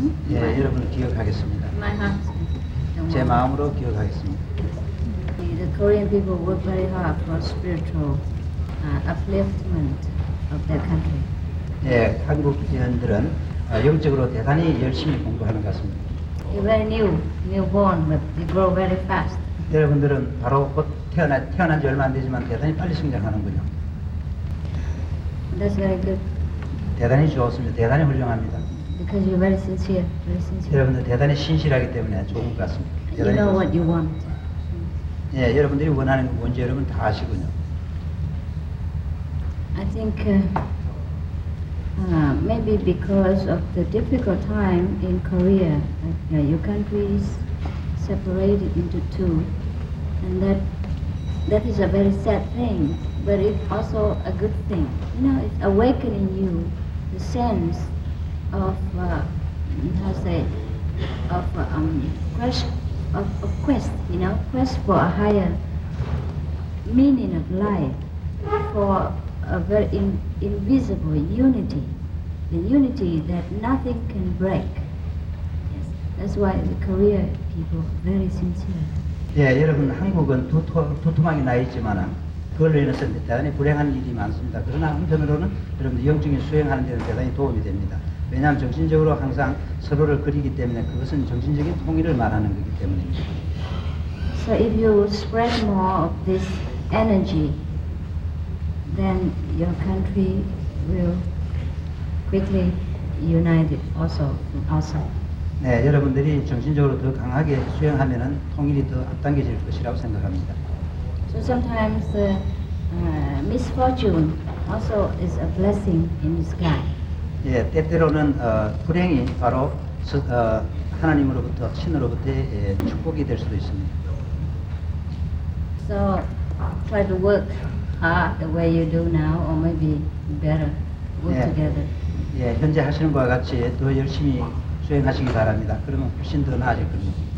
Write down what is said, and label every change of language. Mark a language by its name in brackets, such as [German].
[Korean] 예, 여러분 기억하겠습니다. [English] My heart. [Korean] 제 마음으로 기억하겠습니다. [English] The Korean people work very hard for spiritual upliftment of their country. [Korean] 네, 한국인들은 영적으로 대단히 열심히 공부하는 것 같습니다. [English] You're very newborn, but you grow very fast. [Korean] 여러분들은 바로 곧 태어난 지 얼마 안 되지만 대단히 빨리 성장하는군요. [English] That's very good. [Korean] 대단히 좋습니다. 대단히 훌륭합니다. [English] Because you're very sincere, very sincere. [Korean] 여러분들 대단히 신실하기 때문에 좋은 것 같습니다. [English] You know [Korean] 좋습니다. [English] What you want. [Korean] 예, 여러분들이 원하는 건 뭔지 여러분 다 아시군요. [English] I think maybe because of the difficult time in Korea, your country is separated into two, and that is a very sad thing, but it's also a good thing. You know, it's awakening you the sense of quest, you know, quest for a higher meaning of life, for a very invisible unity, the unity that nothing can break. Yes, that's why the Korean people are very sincere. [Korean] 예, 여러분, 한국은 두툼하게 나 있지만, 그걸로 인해서 대단히 불행한 일이 많습니다. 그러나 한편으로는 여러분들 영적인 수행하는 데는 대단히 도움이 됩니다. 왜냐하면 정신적으로 항상 서로를 그리기 때문에 그것은 정신적인 통일을 말하는 것이기 때문입니다. [English] So if you spread more of this energy, then your country will quickly unite also outside. [Korean] 네, 여러분들이 정신적으로 더 강하게 수행하면은 통일이 더 앞당겨질 것이라고 생각합니다. [English] So sometimes the misfortune also is a blessing in disguise. [Korean] 예, 때때로는 불행이 바로 하나님으로부터 신으로부터의 예, 축복이 될 수도 있습니다. [English] So try to work hard the way you do now, or maybe better work [Korean] 예, [English] together. [Korean] 예, 현재 하시는 것과 같이 더 열심히 수행하시기 바랍니다. 그러면 훨씬 더 나아질 겁니다.